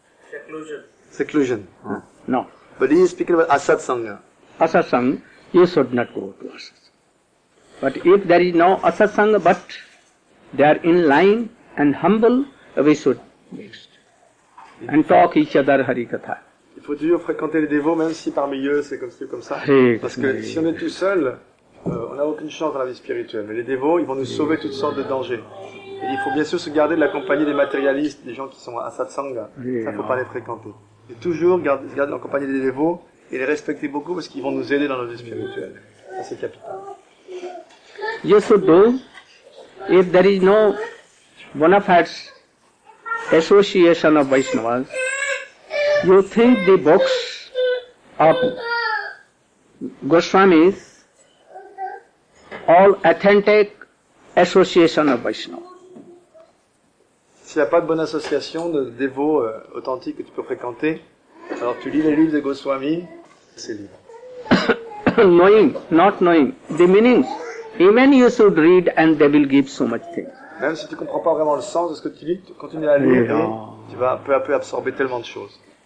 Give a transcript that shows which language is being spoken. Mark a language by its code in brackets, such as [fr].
[en] Seclusion. Seclusion. Huh? No. But he is speaking about Asat Sangha. Asat Sangha, you should not go to Asat Sangha. But if there is no Asat Sangha, but they are in line and humble, we should mix. And talk each other Harikatha. [fr] Il faut toujours fréquenter les dévots, même si parmi eux c'est comme, comme ça. Parce que si on est tout seul, on n'a aucune chance dans la vie spirituelle. Mais les dévots, ils vont nous sauver toutes sortes de dangers. Et il faut bien sûr se garder de la compagnie des matérialistes, des gens qui sont à Satsanga. Ça ne faut pas les fréquenter. Et toujours se garder en compagnie des dévots et les respecter beaucoup parce qu'ils vont nous aider dans la vie spirituelle. Ça, c'est capital. [en] You should do, if there is no bona fide association of Vaishnavas, you think the books of Goswamis all authentic association of Vaishnava. [fr] S'il n'y a pas de bonne association de dévots authentiques que tu peux fréquenter, alors tu lis les livres de Goswami, c'est libre. [en] Knowing, not knowing, the meanings. Even you should read and they will give so much things. [fr] Même si tu ne comprends pas vraiment le sens de ce que tu lis, continue à lire, oui, tu vas peu à peu absorber tellement de choses.